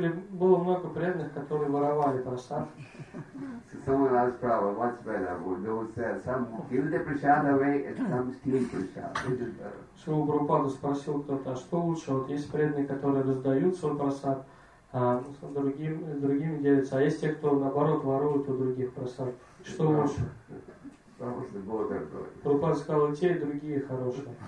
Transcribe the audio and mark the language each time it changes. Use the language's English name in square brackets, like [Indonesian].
[Russian] Было много преданных, которые воровали прасад. [English] So someone asked Prabhupada, what's better? Well, they would say, some give the prasad away and some steal prasad. [Russian] Шрила Прабхупада спросил кто-то, а что лучше? Вот есть преданные, которые раздают свой прасад, а другим делятся. А есть те, кто наоборот воруют у других прасад. Что лучше? Прабхупада сказал, и те, и другие хорошие.